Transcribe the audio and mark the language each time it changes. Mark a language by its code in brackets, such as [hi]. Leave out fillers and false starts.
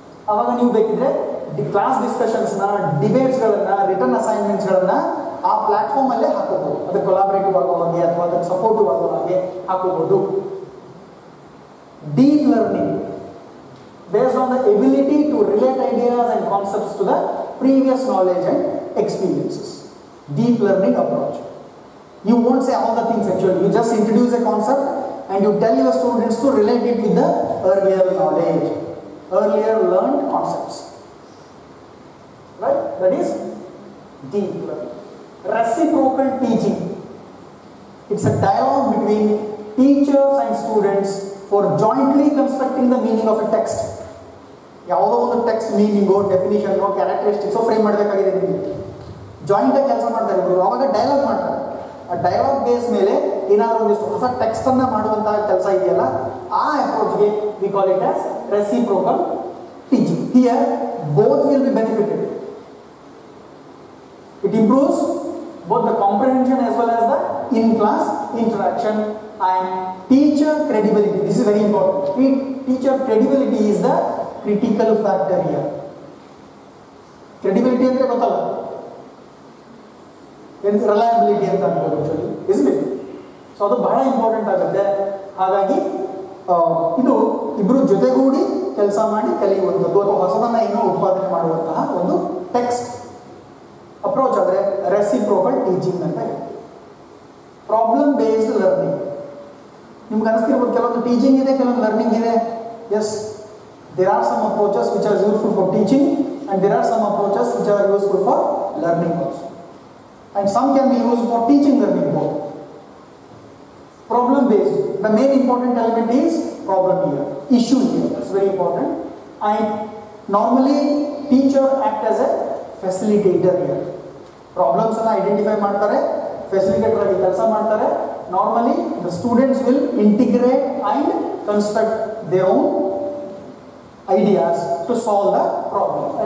[kn] ಆವಾಗ ನೀವು ಬೇಕಿದ್ರೆ ಕ್ಲಾಸ್ ಡಿಸ್ಕಷನ್ಸ್ನ, ಡಿಬೇಟ್ಸ್ಗಳನ್ನ, ರಿಟರ್ನ್ ಅಸೈನ್ಮೆಂಟ್ಸ್ಗಳನ್ನ ಆ ಪ್ಲಾಟ್ಫಾರ್ಮ್ ಅಲ್ಲೇ ಹಾಕೋದು, ಅದು ಕೊಲಾಬರೇಟಿವ್ ಆಗೋ ಹಾಗೆ ಅಥವಾ ಅದಕ್ಕೆ ಸಪೋರ್ಟಿವ್ ಆಗೋ ಹಾಗೆ ಹಾಕೋಬಹುದು. [en] Deep learning based on the ability to relate ideas and concepts to the previous knowledge and experiences. Deep learning approach. You won't say all the things actually. You just introduce a concept and you tell your students to relate it with the earlier knowledge, earlier learned concepts. Right? That is deep learning. Reciprocal teaching. It's a dialogue between teachers and students for jointly constructing the meaning of a text. Yavada one text meaning or definition or characteristics or frame [kn] madbekagide nimge. Joint ag kelasa maartare ibru avaga dialogue maartare. ಆ dialogue base ಮೇಲೆ ಏನಾದರೂ ಒಂದಿಷ್ಟು ಹೊಸ ಟೆಕ್ಸ್ಟನ್ನು ಮಾಡುವಂತಹ ಕೆಲಸ ಇದೆಯಲ್ಲ, ಆ ಅಪ್ರೋಚ್ಗೆ [en] We call it as reciprocal teaching. Here both will be benefited. improves both the comprehension as well as the in-class interaction and teacher credibility. This is very important. Teacher credibility is the critical factor here. Credibility and reliability and actually, isn't it? So the very important factor there. [kn] ಹಾಗಾಗಿ ಇದು ಇಬ್ಬರು ಜೊತೆಗೂಡಿ ಕೆಲಸ ಮಾಡಿ ಕಲಿಯುವಂಥದ್ದು ಅಥವಾ ಹೊಸದನ್ನು ಇನ್ನೂ ಉತ್ಪಾದನೆ ಮಾಡುವಂತಹ ಒಂದು ಟೆಕ್ಸ್ಟ್ ಅಪ್ರೋಚ್ ಆದರೆ ರೆಸಿಪ್ರೋಕಲ್ ಟೀಚಿಂಗ್ ಅಂತ ಹೇಳಿ [en] problem based learning [kn] ನಿಮ್ಗೆ ಅನಿಸ್ತಿರ್ಬೋದು ಕೆಲವೊಂದು ಟೀಚಿಂಗ್ ಇದೆ ಕೆಲವೊಂದು ಲರ್ನಿಂಗ್ ಇದೆ [en] Yes there are some approaches which are useful for teaching and there are some approaches which are useful for learning also and some can be use for teaching learning both problem based The main important element is problem here, issue here. It's very important. And normally, teacher act as a facilitator here. Problems are identified, facilitator are identified. Normally, the students will integrate and construct their own ideas to solve the problem.